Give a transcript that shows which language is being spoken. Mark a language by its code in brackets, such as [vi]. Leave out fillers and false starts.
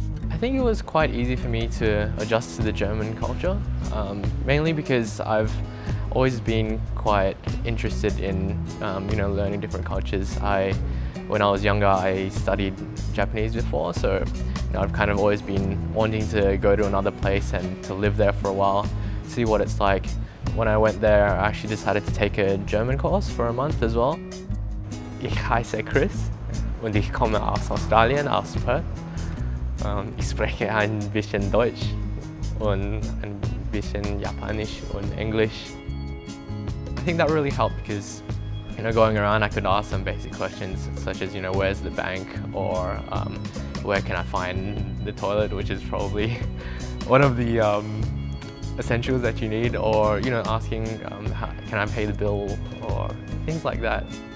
[en] I think it was quite easy for me to adjust to the German culture, mainly because I've always been quite interested in learning different cultures. When I was younger, I studied Japanese before, so I've kind of always been wanting to go to another place and to live there for a while, see what it's like. When I went there, I actually decided to take a German course for a month as well. [de] Ich heiße Chris und ich komme aus Australien, aus Perth. Ich spreche ein bisschen Deutsch und ein bisschen Japanisch und Englisch. [en] I think that really helped because, going around, I could ask some basic questions such as, where's the bank, or where can I find the toilet, which is probably one of the essentials that you need, or, asking, can I pay the bill, or things like that.